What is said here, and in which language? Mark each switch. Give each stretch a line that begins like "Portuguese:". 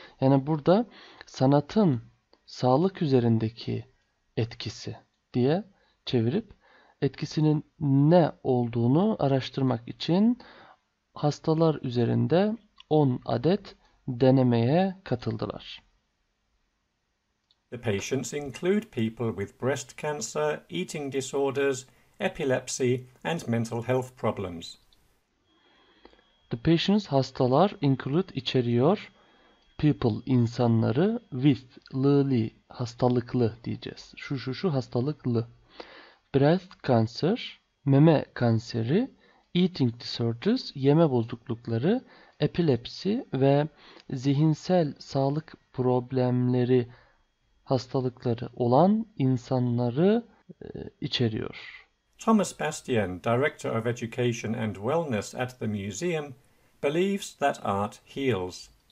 Turkish: Yani burada sanatın sağlık üzerindeki etkisi diye çevirip etkisinin ne olduğunu araştırmak için hastalar üzerinde 10 adet denemeye katıldılar.
English: The patients include people with breast cancer, eating disorders, epilepsy and mental health problems. The patients,
Turkish: hastalar,
English: include,
Turkish: içeriyor,
English: people,
Turkish: insanları,
English: with,
Turkish: lığlı, hastalıklı diyeceğiz. Şu şu şu hastalıklı.
English: Breast cancer,
Turkish: meme kanseri,
English: eating disorders,
Turkish: yeme bozuklukları, epilepsi ve zihinsel sağlık problemleri, hastalıkları olan insanları içeriyor.
English: Thomas Bastian, Director of Education and Wellness at the Museum, believes that art heals.